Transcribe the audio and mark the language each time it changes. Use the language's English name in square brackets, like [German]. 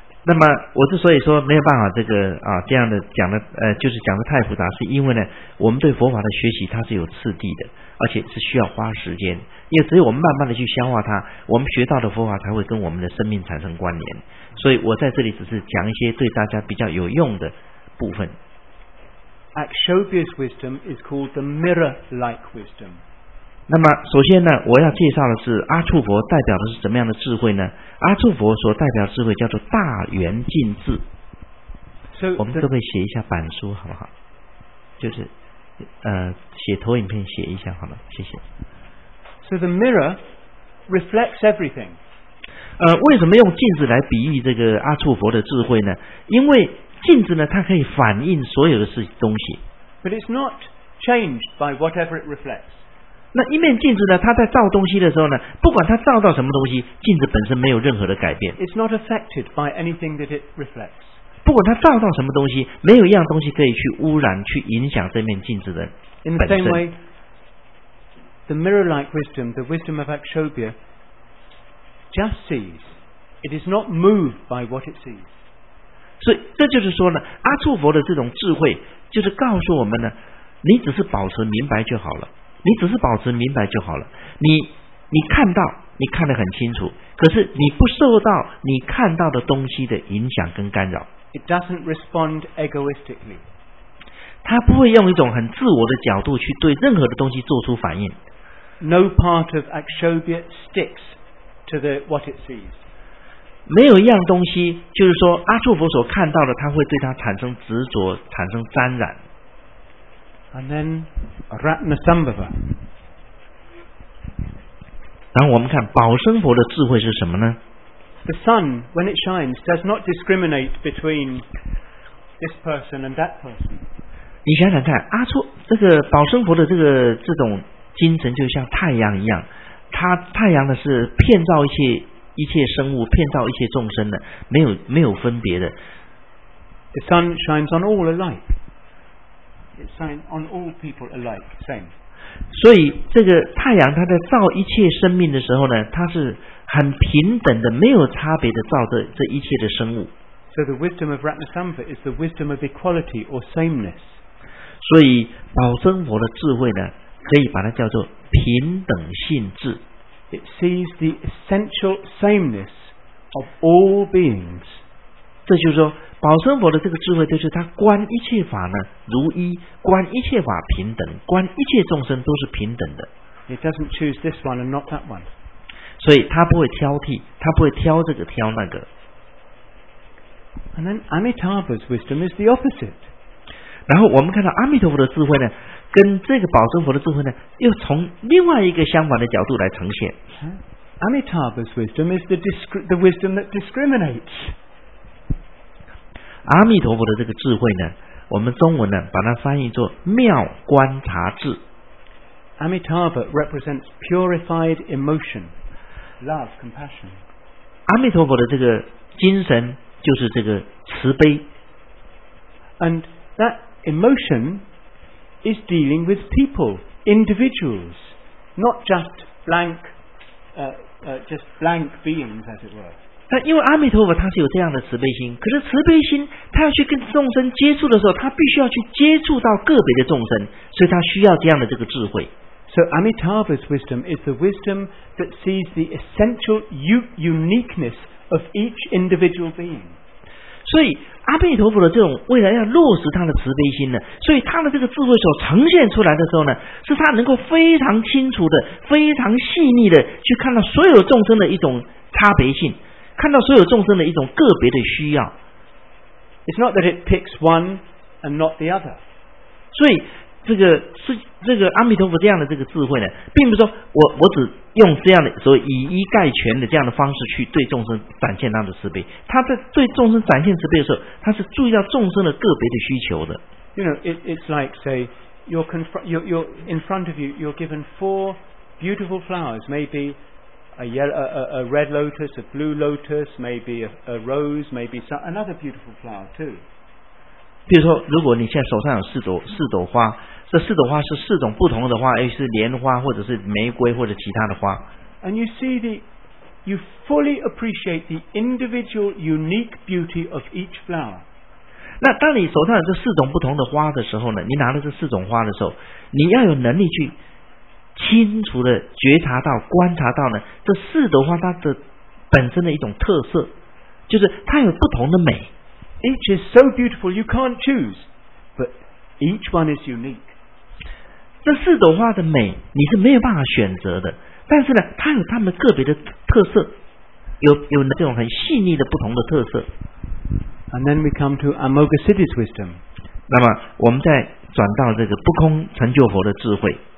[Chinese] 那么我之所以说没有办法这个啊这样的讲的就是讲的太复杂，是因为呢我们对佛法的学习它是有次第的，而且是需要花时间，因为只有我们慢慢的去消化它，我们学到的佛法才会跟我们的生命产生关联。所以我在这里只是讲一些对大家比较有用的部分。 [English] Akshobhya's wisdom is called the mirror-like wisdom. [Chinese] 那么首先呢我要介绍的是阿处佛代表的是怎么样的智慧呢？阿处佛所代表的智慧叫做大圆净智。 So, 我们可不可以写一下板书好不好？就是写投影片写一下好吗？谢谢。 [English] So the mirror reflects everything. [Chinese] 为什么用镜子来比喻这个阿处佛的智慧呢？因为镜子呢它可以反映所有的东西。 [English] But it's not changed by whatever it reflects. [Chinese] 那一面镜子呢，它在照东西的时候呢，不管它照到什么东西，镜子本身没有任何的改变。 [English] It's not affected by anything that it reflects. [Chinese] 不管它照到什么东西，没有一样东西可以去污染、去影响这面镜子的本身。 [English] In the same way, the mirror-like wisdom, the wisdom of Akshobhya, just sees. It is not moved by what it sees. [Chinese] 所以这就是说呢，阿处佛的这种智慧，就是告诉我们呢，你只是保持明白就好了。你只是保持明白就好了。你看到，你看得很清楚，可是你不受到你看到的东西的影响跟干扰。 [English] It doesn't respond egoistically. [Chinese] 他不会用一种很自我的角度去对任何的东西做出反应。 [English] No part of Akshobhya sticks to the what it sees. [Chinese] 没有一样东西，就是说阿处佛所看到的，他会对他产生执着，产生沾染。 [English] And then Ratnasambhava. [Chinese] 然后我们看宝生佛的智慧是什么呢？ [English] The sun, when it shines, does not discriminate between this person and that person. [Chinese] 你想想看，阿处这个宝生佛的这种精神就像太阳一样，它太阳呢是遍照一切生物，遍照一切众生的，没有分别的。 [English] The sun shines on all alike. It shines on all people alike, same. [Chinese] 所以这个太阳它在照一切生命的时候呢，它是很平等的，没有差别的照着这一切的生物。 [English] So the wisdom of Ratnasambhava is the wisdom of equality or sameness. [Chinese] 所以宝生佛的智慧呢，可以把它叫做平等性智。 [English] It sees the essential sameness of all beings. [Chinese] 这就是说，宝生佛的这个智慧，就是他观一切法呢如一，观一切法平等，观一切众生都是平等的。 [English] It doesn't choose this one and not that one. [Chinese] 所以他不会挑剔，他不会挑这个挑那个。 [English] And then Amitabha's wisdom is the opposite. [Chinese] 然后我们看到阿弥陀佛的智慧呢，跟这个宝生佛的智慧呢，又从另外一个相反的角度来呈现。 [English] Amitabha's wisdom is the wisdom that discriminates. [Chinese] 阿弥陀佛的这个智慧呢，我们中文呢把它翻译作妙观察智。 [English] Amitabha represents purified emotion, love, compassion. [Chinese] 阿弥陀佛的这个精神就是这个慈悲。 [English] And that emotion. Is dealing with people, individuals, not just blank beings, as it were. [Chinese] 但因为阿弥陀佛他是有这样的慈悲心，可是慈悲心他要去跟众生接触的时候，他必须要去接触到个别的众生，所以他需要这样的这个智慧。 [English] So Amitabha's wisdom is the wisdom that sees the essential uniqueness of each individual being. [Chinese] 所以阿弥陀佛的这种为了要落实他的慈悲心呢，所以他的这个智慧所呈现出来的时候呢，是他能够非常清楚的、非常细腻的去看到所有众生的一种差别性，看到所有众生的一种个别的需要。 [English] It's not that it picks one and not the other. [Chinese] 所以这个阿弥陀佛这样的这个智慧呢，并不是说我只用这样的所谓以一概全的这样的方式去对众生展现他的慈悲。他在对众生展现慈悲的时候，他是注意到众生的个别的需求的。 [English] You know, it's like say you're in front of you, you're given four beautiful flowers, maybe a red lotus, a blue lotus, maybe a rose, maybe another beautiful flower too. [Chinese] 比如说如果你现在手上有四朵花，这四朵花是四种不同的花，也是莲花或者是玫瑰或者其他的花。 [English] And you see you fully appreciate the individual unique beauty of each flower. [Chinese] 那当你手上有这四种不同的花的时候呢，你拿了这四种花的时候，你要有能力去清楚的觉察到、观察到呢，这四朵花它的本身的一种特色，就是它有不同的美。 [English] Each is so beautiful you can't choose, but each one is unique. [Chinese] 这四朵花的美你是没有办法选择的，但是呢，它有它们个别的特色，有那种很细腻的不同的特色。 [English] And then we come to Amoghasiddhi's wisdom. [Chinese] 那么我们再转到这个不空成就佛的智慧。